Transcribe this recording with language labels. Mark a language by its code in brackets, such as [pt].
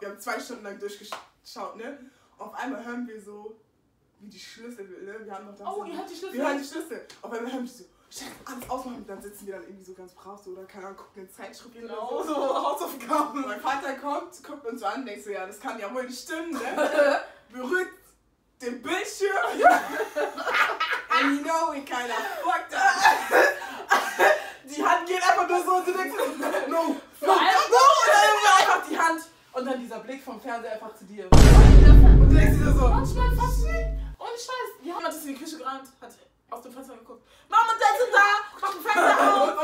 [de] Wir haben 2 Stunden lang durchgeschaut, ne? Auf einmal hören wir so, wie die Schlüssel, ne? Wir haben noch da. Oh, ihr hört die Schlüssel? Wir hören die Schlüssel. Auf einmal hören wir so, Chef, alles ausmachen. Und dann sitzen wir dann irgendwie so ganz brav so, oder keine Ahnung, gucken in Zeitschrift genau. Oder so. Genau, so Hausaufgaben. Mein Vater kommt, guckt uns so an, denkt so, ja, das kann ja wohl nicht stimmen, ne? Berührt den Bildschirm. [en] And you know, we kind of fucked up. [de] Die Hand geht einfach nur so, und du denkst, [en] no, no, no, no. [de] Und dann nimmt er einfach die Hand. Und dann dieser Blick vom Fernseher einfach zu dir. Und du denkst dir so. Manchmal, was nicht? Ohne Scheiß. Ja. Jemand ist in die Küche gerannt, hat aus dem Fenster geguckt. Mama, der ist da! Mach den Fenster auf!